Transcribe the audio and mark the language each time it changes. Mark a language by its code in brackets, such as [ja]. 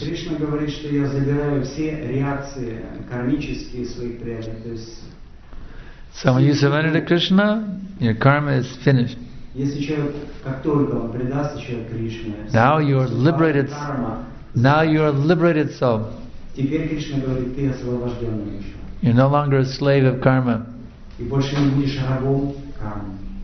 [ru] Krishna говорит, что я забираю все реакции кармические своих преданных. [en] So when you surrender to Krishna, your karma is finished. [ru] Если человек, как только он предастся человек Кришне, [en] now you are liberated. Now you are liberated soul. [ru] Теперь Кришна говорит, ты освобожденный еще. [en] You're no longer a slave of karma. [ru] И больше не будешь рабом кармы.